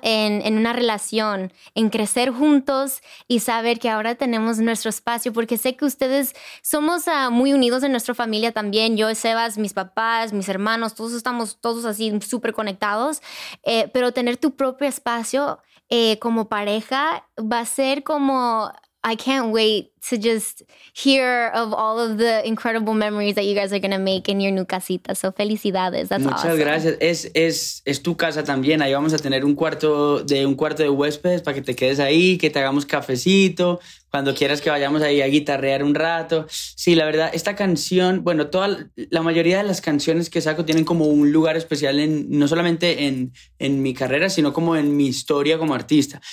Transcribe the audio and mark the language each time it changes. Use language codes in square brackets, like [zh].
[es] En una relación, en crecer juntos y saber que ahora tenemos nuestro espacio, porque sé que ustedes somos muy unidos en nuestra familia también. Yo, Sebas, mis papás, mis hermanos, todos estamos todos así súper conectados. Pero tener tu propio espacio como pareja va a ser como [en] I can't wait to just hear of all of the incredible memories that you guys are going to make in your new casita. So, [es] felicidades. [en] That's [es] Muchas [en] awesome. [es] Muchas gracias. Es tu casa también. Ahí vamos a tener un cuarto de huéspedes para que te quedes ahí, que te hagamos cafecito, cuando quieras que vayamos ahí a guitarrear un rato. Sí, la verdad, esta canción, bueno, la mayoría de las canciones que saco tienen como un lugar especial no solamente en mi carrera, sino como en mi historia como artista.